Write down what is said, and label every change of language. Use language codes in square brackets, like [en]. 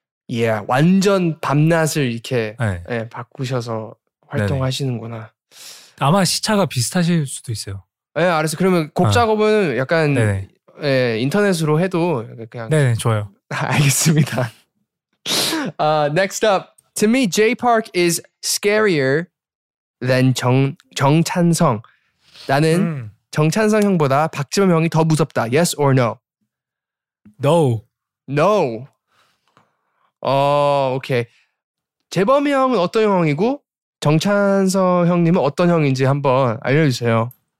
[ko] 예, yeah, 완전 밤낮을 이렇게 네. 예, 바꾸셔서 활동하시는구나. 아마 시차가 비슷하실 수도 있어요. 예, 알았어. 그러면 곡 작업은 아. 약간 예, 인터넷으로 해도 그냥. 네네, 좋아요. 알겠습니다. [en] next up. To me, Jay Park is scarier than 정찬성. [ko] 나는 정찬성 형보다 박지범 형이 더 무섭다. [en] Yes or no? No. No. [ko] 어, 오케이. 재범이 형은 어떤 형이고 정찬성 형님은 어떤 형인지 한번 알려주세요.